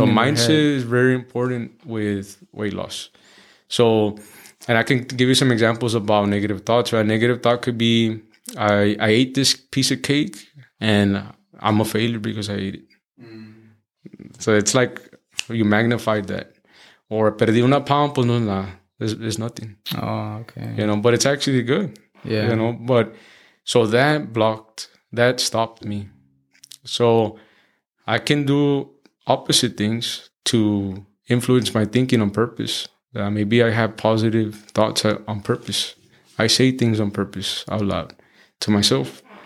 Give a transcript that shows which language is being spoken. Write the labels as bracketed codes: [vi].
[en] So mindset is very important with weight loss. So. And I can give you some examples about negative thoughts. Right? A negative thought could be, I ate this piece of cake and I'm a failure because I ate it. Mm. So it's like you magnified that. [es] Or perdí una pound, pues no es nada. [en] There's nothing. Oh, okay. You know, but it's actually good. Yeah. You know, but so that blocked, that stopped me. So I can do opposite things to influence my thinking on purpose. Maybe I have positive thoughts on purpose. I say things on purpose out loud to myself.